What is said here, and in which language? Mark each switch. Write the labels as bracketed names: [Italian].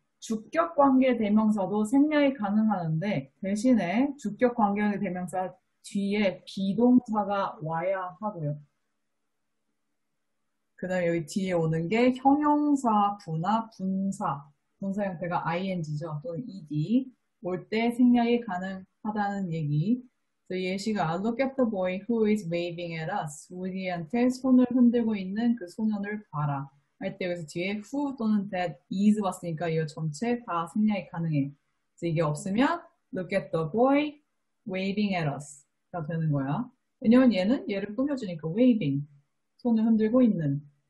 [Korean] 주격 관계 대명사도 생략이 가능하는데, 대신에 주격 관계 대명사 뒤에 비동사가 와야 하고요. 그 다음에 여기 뒤에 오는 게 형용사 부나 분사. 분사 형태가 ing죠. 또는 ed. 올때 생략이 가능하다는 얘기. 예시가 [English] Look at the boy who is waving at us. [Korean] 우리한테 손을 흔들고 있는 그 소년을 봐라. 할때 여기서 뒤에 who 또는 that is 왔으니까 이거 전체 다 생략이 가능해. 이게 없으면 [English] look at the boy waving at us가 [Korean] 되는 거야. 왜냐면 얘는 얘를 꾸며주니까 waving 손을 흔들고 있는.